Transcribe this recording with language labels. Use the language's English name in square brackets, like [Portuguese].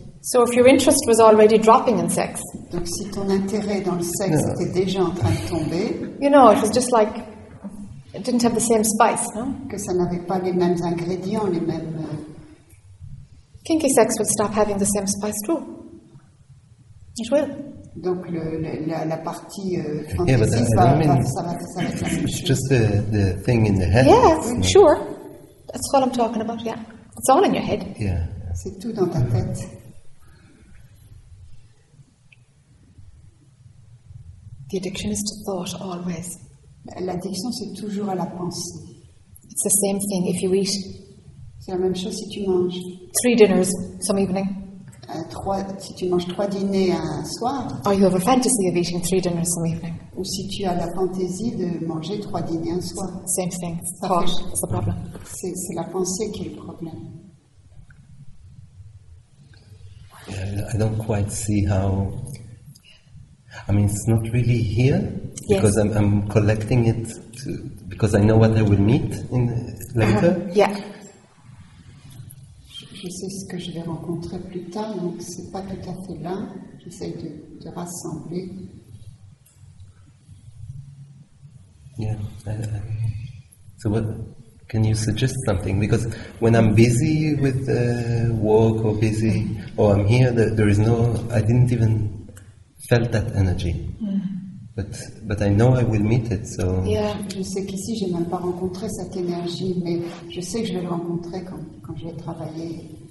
[English] So if your interest was already dropping in sex. [French] Donc si ton intérêt dans le sexe [English] no. [French] était déjà en train de tomber. [English] You know, it was just like it didn't have the same spice, no? [French] Que ça n'avait pas les mêmes ingrédients, les mêmes. [English] Kinky sex would stop having the same spice too. It will. [French] Donc la partie ça va [English] just the thing in the head. Yeah, no. sure. That's what I'm talking about. Yeah, it's all in your head. Yeah. [French] C'est tout dans ta tête. [English] The addiction is to thought always. [French] L'addiction c'est toujours à la pensée. [English] It's the same thing if you eat. [French] C'est la même chose si tu manges. [English] Three dinners some evening. [French] Si tu manges trois dîners un soir. [English] Or you have a fantasy of eating three dinners some evening. [French] Ou si tu as la fantaisie de manger trois dîners un soir. [English] Same thing. Thought is the problem. [French] C'est la pensée qui est le problème. [English] I don't quite see how. I mean, it's not really here because yes. I'm collecting it because I know what I will meet in later. Uh-huh. Yeah. [French] Je sais ce que je vais rencontrer plus tard, donc c'est pas tout à fait là. J'essaie de rassembler. [English] Yeah. So what? Can you suggest something? Because when I'm busy with work or busy, or I'm here, there is no. I didn't even. Felt that energy, but I know I will meet it. So yeah, [French] je sais qu'ici j'ai même pas rencontré cette énergie, mais je sais que je vais le rencontrer quand je vais travailler.